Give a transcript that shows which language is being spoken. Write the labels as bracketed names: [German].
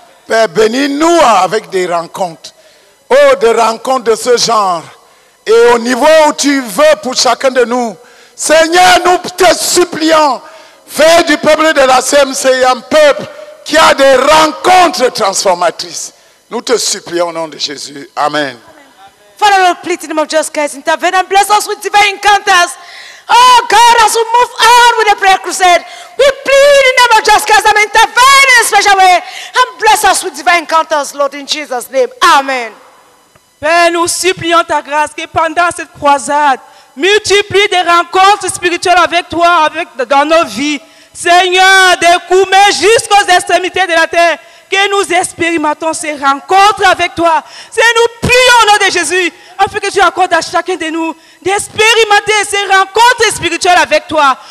[French] Père, bénis-nous avec des rencontres. Oh, des rencontres de ce genre. Et au niveau où tu veux pour chacun de nous. Seigneur, nous te supplions. Fais du peuple de la CMC un peuple qui a des rencontres transformatrices. Nous te supplions au nom de Jésus. Amen. Amen. [English] Father, please, in the name of Jesus Christ, intervene and bless us with divine encounters. Oh God, as we move on with the prayer crusade, we plead in the name of Jesus Christ and intervene in a special way and bless us with divine encounters, Lord, in Jesus' name. Amen. [French] Père, nous supplions ta grâce que pendant cette croisade, multiplie des rencontres spirituelles avec toi avec, dans nos vies. Seigneur, des coups, mais jusqu'aux extrémités de la terre, que nous expérimentons ces rencontres avec toi. Seigneur, nous prions au nom de Jésus, afin que tu accordes à chacun de nous d'expérimenter ces rencontres spirituelles avec toi.